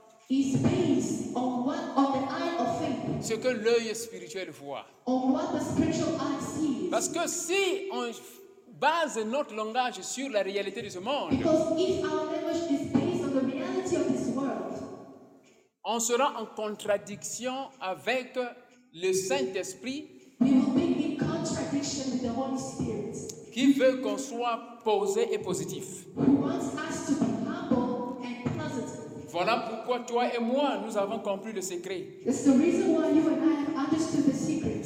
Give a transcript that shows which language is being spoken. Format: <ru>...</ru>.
<en>is based on what on the eye of faith.</en> <fr>Ce que l'œil spirituel voit.</fr> <en>On what the spiritual eye sees.</en> <fr>Parce que si on base notre langage sur la réalité de ce monde,</fr> <en>because if our language is based on the reality of this world,</en> <fr>on sera en contradiction avec le Saint-Esprit.</fr> <en>We will be in contradiction with the Holy Spirit.</en> <fr>Qui veut qu'on soit posé et positif.</fr> <en>Who wants us to be humble.</en> <fr>Voilà pourquoi toi et moi, nous avons compris le secret.</fr> <en>That's the reason why you and I have understood the secret.</en>